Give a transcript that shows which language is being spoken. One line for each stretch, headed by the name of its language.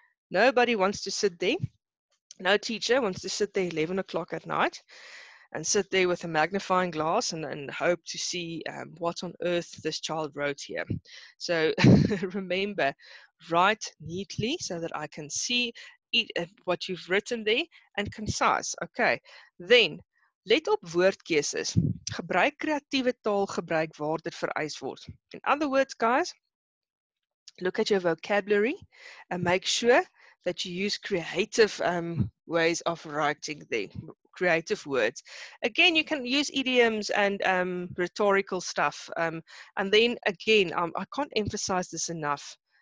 English: Nobody wants to sit there. No teacher wants to sit there 11 o'clock at night and sit there with a magnifying glass and hope to see what on earth this child wrote here. So remember, write neatly so that I can see what you've written there and concise. Okay, then
Afrikaans: let op woordkeuses. Gebruik creatieve taal, gebruik waar dit vereis word.
English: In other words, guys, look at your vocabulary and make sure that you use creative ways of writing there, creative words. Again, you can use idioms and rhetorical stuff. And then again, I can't emphasize this enough.